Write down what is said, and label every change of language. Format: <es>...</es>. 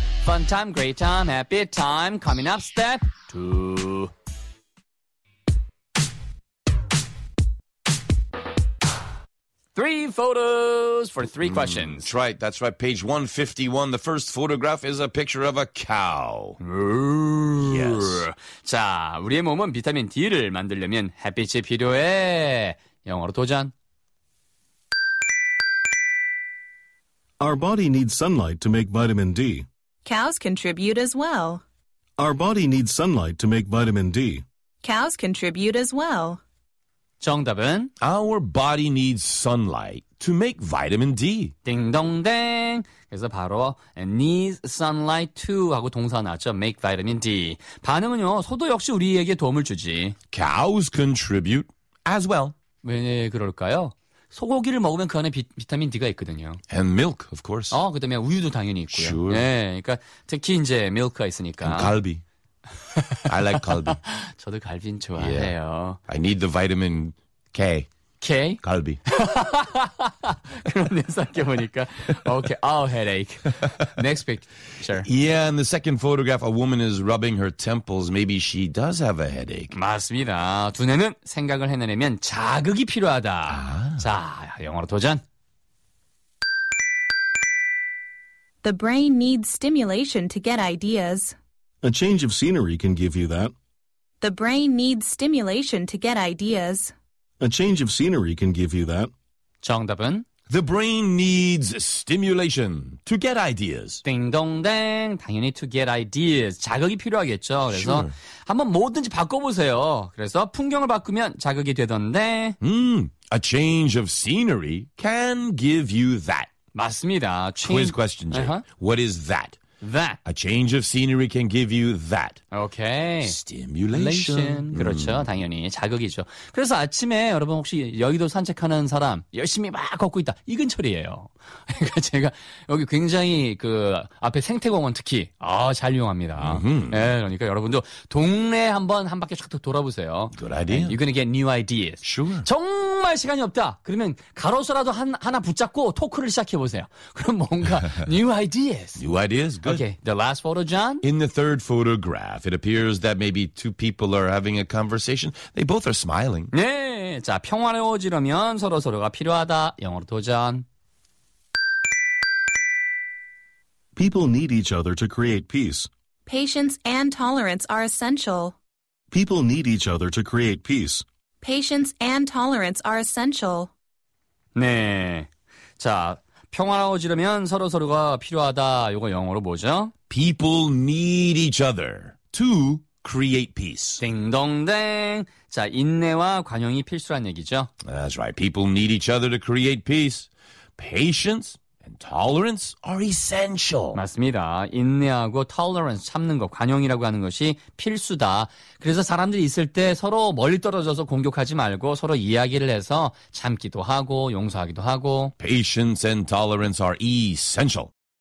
<en>Fun time, great time, happy time. Coming up, step two. Three photos for three questions. That's right. That's right. Page 151. The first photograph is a picture of a cow. Yes.</en> <ko>자, 우리의 몸은 비타민 D를 만들려면 햇빛이 필요해. 영어로 도전.</ko> <en>Our body needs sunlight to make vitamin D. Cows contribute as well. Our body needs sunlight to make vitamin D. Cows contribute as well.</en> <ko>정답은</ko> <en>Our body needs sunlight to make vitamin D.</en> <ko>딩동댕. 그래서 바로</ko> <en>needs sunlight to</en> <ko>하고 동사 나왔죠.</ko> <en>Make vitamin D.</en> <ko>반응은요. 소도 역시 우리에게 도움을 주지.</ko> <en>Cows contribute as well.</en> <ko>왜 그럴까요? 소고기를 먹으면 그 안에 비타민 D가 있거든요.</ko> <en>And milk, of course.</en> <ko>그 다음에 우유도 당연히 있고요.</ko> <en>Sure.</en> <ko>네, 그러니까 특히 이제 밀크가 있으니까.</ko> <en>And 갈비. I like 갈비.</en> <ko>저도 갈비는 좋아해요.</ko> <en>Yeah. I need the vitamin K.</en> <ko>K? 오케이. 갈비. 그런데 생각해보니까. 오케이.</ko> <en>Oh, headache. Next picture. Yeah, in the second photograph, a woman is rubbing her temples. Maybe she does have a headache.</en> <ko>맞습니다. 두뇌는 생각을 해내려면 자극이 필요하다. 아. 자, 영어로 도전.</ko> <en>The brain needs stimulation to get ideas. A change of scenery can give you that. The brain needs stimulation to get ideas. A change of scenery can give you that.</en> <ko>정답은?</ko> <en>The brain needs stimulation to get ideas.</en> <ko>띵동댕. 당연히 to get ideas. 자극이 필요하겠죠. 그래서</ko> <en>sure.</en> <ko>한번 뭐든지 바꿔보세요. 그래서 풍경을 바꾸면 자극이 되던데.</ko> <en>A change of scenery can give you that.</en> <ko>맞습니다.</ko> <en>Quiz question, Jay. Uh-huh. What is that? That. A change of scenery can give you that. Okay. Stimulation.</en> <ko>그렇죠. 당연히 자극이죠. 그래서 아침에 여러분 혹시 여의도 산책하는 사람 열심히 막 걷고 있다. 이 근처리예요. 그러니까 제가 여기 굉장히 그 앞에 생태공원 특히 잘 이용합니다. 네, 그러니까 여러분도 동네 한 바퀴 촥 돌아보세요.</ko> <en>Good idea. You're gonna get new ideas. Sure.</en> <ko>정말 시간이 없다. 그러면 가로수라도 하나 붙잡고 토크를 시작해보세요. 그럼 뭔가</ko> <en>new ideas. New ideas. Good. Okay, the last photo, John? In the third photograph, it appears that maybe two people are having a conversation. They both are smiling.</en> <ko>네, 자, 평화로워지려면 서로서로가 필요하다. 영어로 도전.</ko> <en>People need each other to create peace. Patience and tolerance are essential. People need each other to create peace. Patience and tolerance are essential.</en> <ko>네, 자, 평화로워지려면 서로서로가 필요하다. 이거 영어로 뭐죠?</ko> <en>People need each other to create peace.</en> <ko>딩동댕. 자, 인내와 관용이 필수란 얘기죠.</ko> <en>That's right. People need each other to create peace. Patience and tolerance are essential.</en> <ko>맞습니다. 인내하고 tolerance, 참는 것, 관용이라고 하는 것이 필수다. 그래서 사람들이 있을 때 서로 멀리 떨어져서 공격하지 말고 서로 이야기를 해서 참기도 하고 용서하기도 하고.</ko> <en>Patience and tolerance are essential.</en>